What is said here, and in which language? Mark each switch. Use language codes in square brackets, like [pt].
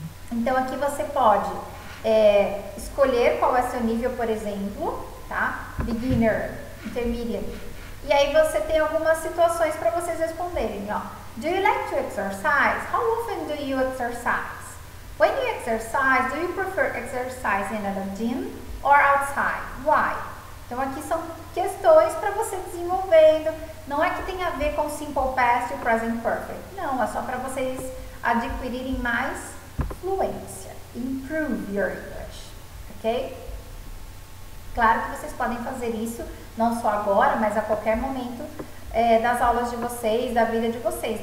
[pt] Então, aqui você pode escolher qual é o seu nível, por exemplo, tá? [en] Beginner, intermediate. [pt] E aí você tem algumas situações para vocês responderem, ó. [en] Do you like to exercise? How often do you exercise? When you exercise, do you prefer exercising at a gym or outside? Why? [pt] Então, aqui são questões para você desenvolvendo. Não é que tenha a ver com simple past e present perfect. Não, é só para vocês adquirirem mais fluência. [en] Improve your English. [pt] Ok? Claro que vocês podem fazer isso, não só agora, mas a qualquer momento das aulas de vocês, da vida de vocês.